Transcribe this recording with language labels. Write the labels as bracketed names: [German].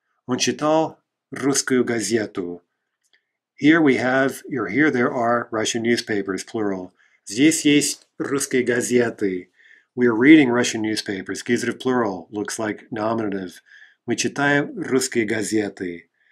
[Russian] Он читал русскую газету. [English] Here we have, or here there are Russian newspapers, plural. [Russian] Здесь есть русские газеты. [English] We are reading Russian newspapers. Accusative plural looks like nominative. [Russian] Мы читаем русские газеты.